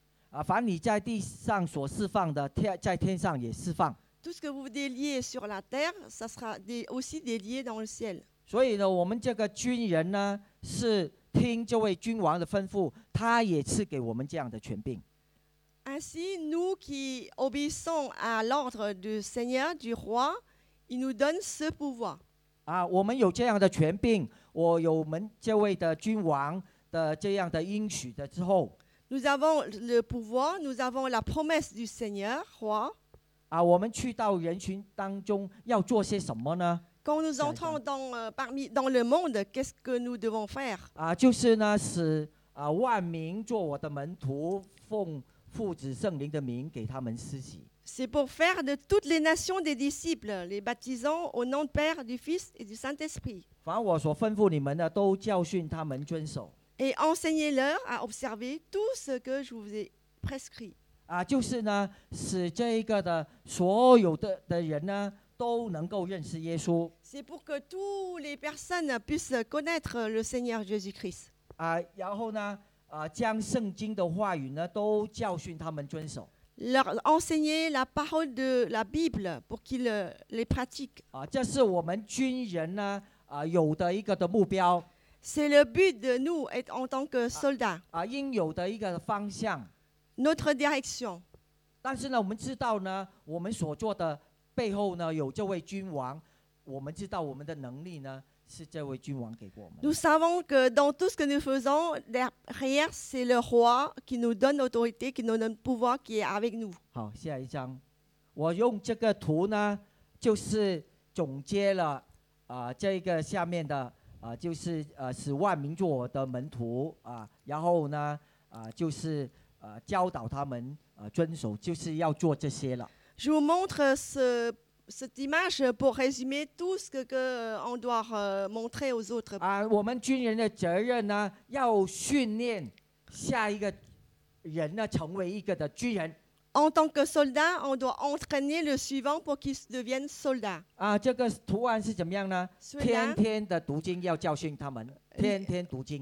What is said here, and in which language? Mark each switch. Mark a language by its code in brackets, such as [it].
[zh] 啊，凡你在地上所释放的，在天上也释放。 [fr] Tout ce que vous déliez sur la terre, ça sera aussi délié dans le ciel. [zh] 所以呢，我们这个军人呢，是听这位君王的吩咐，他也赐给我们这样的权柄。 [fr] Ainsi, nous qui obéissons à l'ordre du Seigneur, du roi, il nous donne ce pouvoir. [zh] 啊，我们有这样的权柄，我有我们这位的君王的这样的应许的之后。 [fr] Nous avons le pouvoir, nous avons la promesse du Seigneur, roi. [zh] 啊，我们去到人群当中要做些什么呢？ [fr] Quand nous entrons dans le monde, qu'est-ce que nous devons faire? [zh] 啊，就是呢，使万民做我的门徒，奉父子圣灵的名给他们施洗。 [fr] C'est pour faire de toutes les nations des disciples, les baptisant au nom du Père, du Fils et du Saint-Esprit. [zh] 凡我所吩咐你们的，都教训他们遵守。 [fr] Et enseignez-leur à observer tout ce que je vous ai prescrit. [zh] 啊，就是呢，使这个的所有的人呢，都能够认识耶稣。 [fr] C'est pour que toutes les personnes puissent connaître le Seigneur Jésus-Christ. [zh] 啊，然后呢？将圣经的话语呢都教训他们遵守。 [fr] Leur enseigner la parole de la Bible pour qu'ils les pratiquent. [zh] 啊，这是我们军人呢有的一个的目标。 [fr] C'est le but de nous être en tant que soldats. [zh] 啊，应有的一个方向。 [fr] Notre direction. [zh] 但是呢，我们知道呢，我们所做的背后呢有这位君王，我们知道我们的能力呢是这位君王给过我们。 [fr] Nous savons que dans tout ce que nous faisons, derrière c'est le roi qui nous donne autorité, qui nous donne pouvoir, qui est avec nous. [zh] 好，下一张，我用这个图呢，就是总结了这个下面的就是使万民做我的门徒然后呢就是教导他们遵守，就是要做这些了。 [fr] Je vous montre cette image pour résumer tout ce que on doit montrer aux autres. [zh] 我们军人的责任呢，要训练下一个人呢，成为一个的军人。 [fr] En tant que soldat, on doit entraîner le suivant pour qu'il devienne soldat. [zh] 这个图案是怎么样呢？天天的读经要教训他们，天天读经。